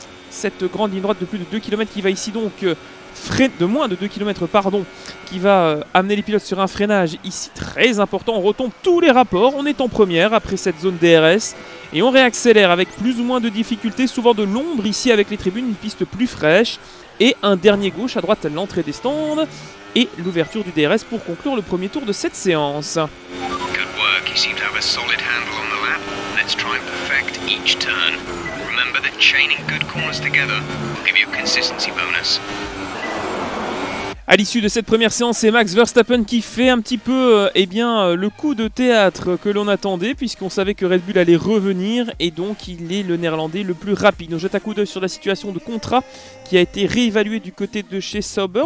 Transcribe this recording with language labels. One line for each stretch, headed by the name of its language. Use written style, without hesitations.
French: Cette grande ligne droite de plus de 2 km qui va ici donc qui va amener les pilotes sur un freinage ici très important. On retombe tous les rapports, on est en première après cette zone DRS et on réaccélère avec plus ou moins de difficultés, souvent de l'ombre ici avec les tribunes, une piste plus fraîche et un dernier gauche à droite à l'entrée des stands et l'ouverture du DRS pour conclure le premier tour de cette séance.
English: Good work. You seem to have a solid handle on the lap. Let's try and perfect each turn. Remember that chaining good corners together will give you a consistency bonus.
French: À l'issue de cette première séance, c'est Max Verstappen qui fait un petit peu le coup de théâtre que l'on attendait, puisqu'on savait que Red Bull allait revenir et donc il est le néerlandais le plus rapide. On jette un coup d'œil sur la situation de contrat qui a été réévaluée du côté de chez Sauber.